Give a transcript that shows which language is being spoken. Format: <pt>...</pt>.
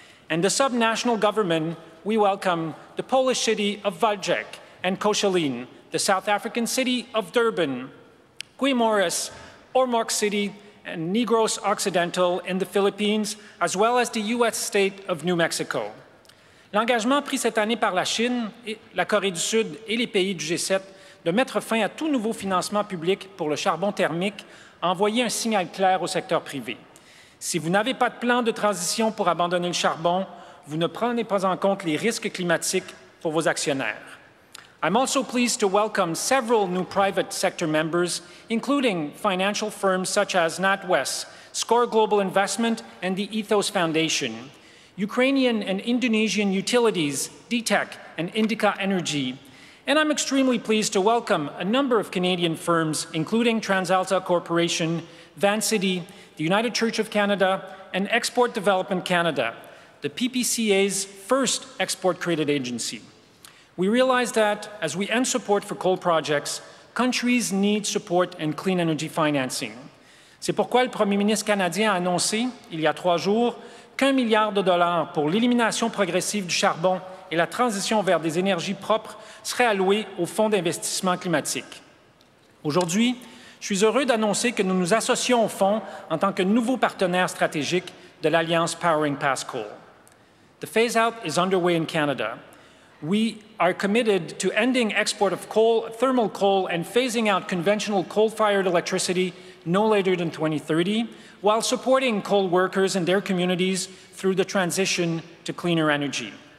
<en>And the subnational government, we welcome the Polish city of Wałbrzych and Koszalin, the South African city of Durban, Guimoras, Ormoc City, and Negros Occidental in the Philippines, as well as the US state of New Mexico.</en> <fr>L'engagement pris cette année par la Chine, la Corée du Sud et les pays du G7 de mettre fin à tout nouveau financement public pour le charbon thermique a envoyé un signal clair au secteur privé. Si vous n'avez pas de plan de transition pour abandonner le charbon, vous ne prenez pas en compte les risques climatiques pour vos actionnaires.</fr> <en>I'm also pleased to welcome several new private sector members, including financial firms such as NatWest, Score Global Investment, and the Ethos Foundation. Ukrainian and Indonesian utilities, DTEC and Indica Energy, And I'm extremely pleased to welcome a number of Canadian firms, including TransAlta Corporation, Vancity, the United Church of Canada, and Export Development Canada, the PPCA's first export-credit agency. We realize that, as we end support for coal projects, countries need support and clean energy financing.</en> <fr>C'est pourquoi le Premier ministre canadien a annoncé, il y a trois jours, qu'un milliard de dollars pour l'élimination progressive du charbon et la transition vers des énergies propres serait alloué au Fonds d'investissement climatique. Aujourd'hui, je suis heureux d'annoncer que nous nous associons au Fonds en tant que nouveau partenaire stratégique de l'Alliance Powering Past Coal.</fr> <en>The phase-out is underway in Canada. We are committed to ending export of coal, thermal coal, and phasing out conventional coal-fired electricity no later than 2030, while supporting coal workers and their communities through the transition to cleaner energy.</en>